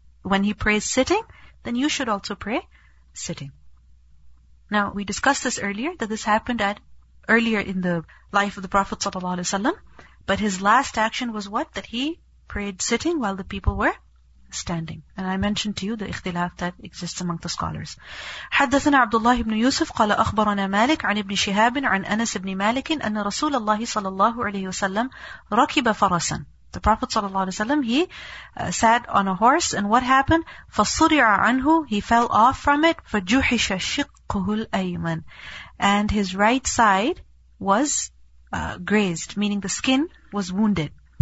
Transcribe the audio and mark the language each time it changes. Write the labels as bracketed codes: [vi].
[en] When he prays sitting, then you should also pray sitting. Now, we discussed this earlier, that this happened earlier in the life of the Prophet ﷺ. But his last action was what? That he prayed sitting while the people were standing. And I mentioned to you the ikhtilaf that exists among the scholars. [ar] حدثنا عبد الله بن يوسف قال أخبرنا مالك عن ابن شهاب عن أنس بن مالك أن رسول الله صلى الله عليه وسلم ركب فرسا. [en] The Prophet ﷺ, he sat on a horse, and what happened? [ar] فَصُرِعَ عَنْهُ, [en] he fell off from it. [ar] فَجُحِشَ شِقُّهُ الْأَيْمَنِ, [en] and his right side was grazed, meaning the skin was wounded.